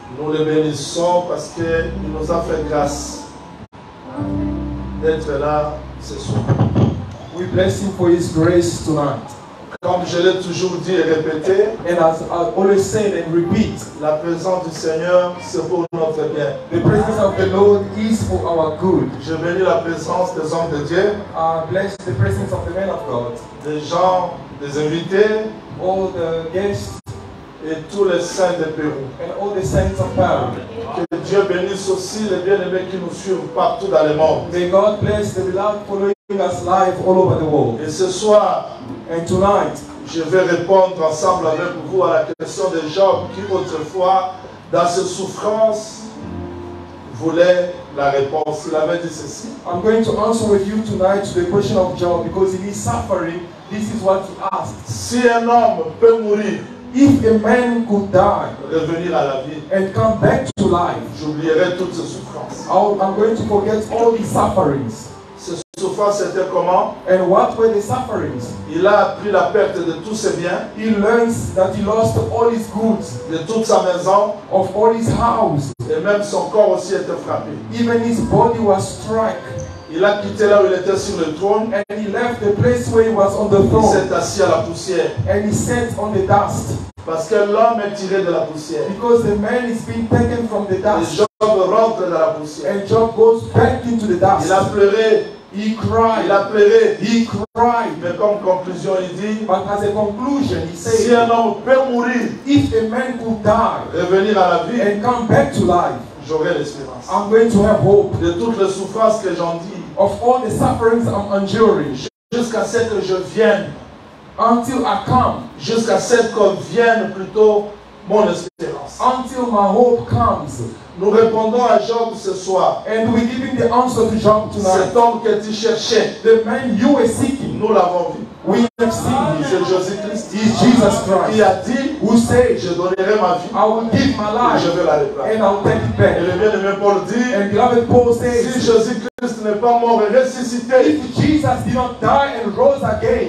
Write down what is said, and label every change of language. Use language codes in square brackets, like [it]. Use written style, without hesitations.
[fr] Nous le bénissons parce qu'il nous a fait grâce d'être là ce soir. [en] We bless him for his grace tonight. [fr] Comme je l'ai toujours dit et répété, [en] and as I always said and repeat, [fr] la présence du Seigneur c'est pour notre bien. [en] The presence of the Lord is for our good. [fr] Je bénis la présence des hommes de Dieu. [en] I bless the presence of the men of God. [fr] Des gens, des invités, [en] all the guests, [fr] et tous les saints de Pérou. [en] And all the saints of Peru. [fr] Que Dieu bénisse aussi les bien-aimés qui nous suivent partout dans le monde. [en] May God bless the beloved following us live all over the world. [fr] Et ce soir. [en] And tonight, [fr] je vais répondre ensemble avec vous à la question des gens qui autrefois, dans ses souffrances, voulaient la réponse. Il avait dit ceci. [en] I'm going to answer with you tonight to the question of Job, because in his suffering, this is what he asked. [fr] Si un homme peut mourir, [en] if a man could die, [fr] revenir à la vie, [en] and come back to life, [fr] j'oublierai toutes ses souffrances. [en] I'm going to forget all his sufferings. [fr] Ses souffrances étaient comment? [en] And what were the sufferings? [fr] Il a appris la perte de tous ses biens. [en] He learns that he lost all his goods. [fr] De toute sa maison. [en] Of all his house. [fr] Et même son corps aussi était frappé. [en] Even his body was struck. [fr] Il a quitté là où il était sur le trône. [en] And he left the place where he was on the throne. [fr] Il s'est assis à la poussière. [en] And he sat on the dust. [fr] Parce que l'homme est tiré de la poussière. [en] Because the man is being taken from the dust. [fr] Job rentre dans la poussière. [en] And Job goes back into the dust. [fr] Il a pleuré. [en] He cried. [fr] Il a pleuré. [en] He cried. [fr] Mais comme conclusion, il dit. [en] But as a conclusion, he said. [fr] Si un homme peut mourir, [en] if a man could die, [fr] revenir à la vie, [en] and come back to life, [fr] j'aurai l'espérance. [en] I'm going to have hope. [fr] De toutes les souffrances que j'en dis. [en] Of all the sufferings I'm enduring, [fr] jusqu'à ce que je vienne. [en] Until I come, [fr] jusqu'à ce qu'on vienne plutôt mon espérance. [en] Until my hope comes, [fr] nous répondons à Job ce soir. [en] And we give him the answer to Job tonight. [fr] Cet homme que tu cherchais, [en] the man you were seeking, [fr] nous l'avons vu. [en] We have seen him. [fr] C'est Jésus Christ. [en] He's Jesus Christ. [fr] Qui a dit, [en] who said, [fr] je donnerai ma vie. [en] I will give my life. [fr] Je vais la réparer. [en] And I'll take it back. [fr] Et le bien-aimé Paul dit, [en] and beloved Paul says, [fr] si Jésus Christ n'est pas mort et ressuscité, [en] if Jesus did not die and rose again,